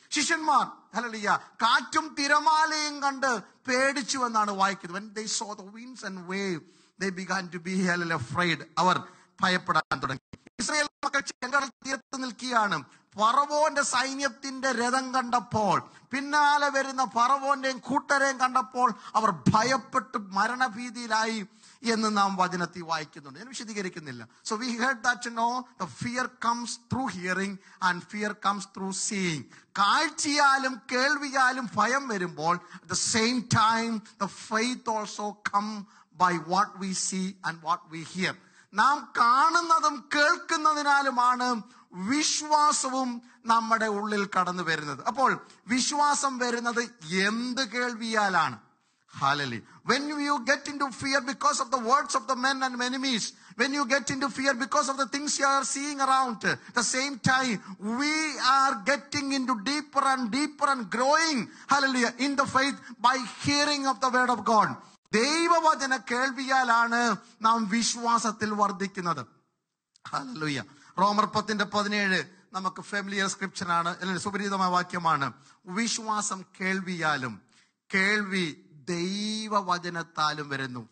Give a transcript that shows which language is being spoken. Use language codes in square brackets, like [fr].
[ml] ശിഷ്യന്മാർ ഹല്ലേലൂയ കാറ്റും തിരമാലയും കണ്ട് പേടിച്ചു എന്നാണ് വായിക്കുന്നത്. [en] When they saw the winds and wave, they began to be a little afraid. [ml] അവർ ഭയപ്പെടാൻ തുടങ്ങി. ഇസ്രായേൽ മക്കൾ ചെങ്കടൽ തീരത്ത് നിൽക്കുകയാണ്. ഫറവോന്റെ സൈന്യത്തിന്റെ രഥം കണ്ടപ്പോൾ, പിന്നാലെ വരുന്ന ഫറവോന്റെയും കൂട്ടരെയും കണ്ടപ്പോൾ അവർ ഭയപ്പെട്ട് മരണഭീതിയിലായി എന്ന് നാം വചനത്തിൽ വായിക്കുന്നുണ്ട്. ഞാൻ വിശദീകരിക്കുന്നില്ല. [en] So we heard that no the fear comes through hearing and fear comes through seeing. [ml] കാഴ്ചയാലും കേൾവിയാലും ഭയം വരുമ്പോൾ [en] At the same time the faith also come by what we see and what we hear. [ml] നാം കാണുന്നതും കേൾക്കുന്നതിനാലുമാണ് വിശ്വാസവും നമ്മുടെ ഉള്ളിൽ കടന്നു വരുന്നത്. അപ്പോൾ വിശ്വാസം വരുന്നത് എന്ത് കേൾവിയാലാണ്? [en] Hallelujah. When you get into fear because of the words of the men and enemies, when you get into fear because of the things you are seeing around, the same time we are getting into deeper and growing, hallelujah, in the faith by hearing of the word of God. [ml] ദൈവവചന കേൾവിയാലാണ് നാം വിശ്വാസത്തിൽ വർദ്ധിക്കുന്നത്. Hallelujah. റോമർ 10:17 നമുക്ക് [en] familiar scripture [ml] ആണ്, അല്ലെങ്കിൽ സുപരിചിതമായ വാക്യമാണ്. വിശ്വാസം കേൾവിയാലും കേൾവി ദൈവവചനത്താലും വരുന്നു.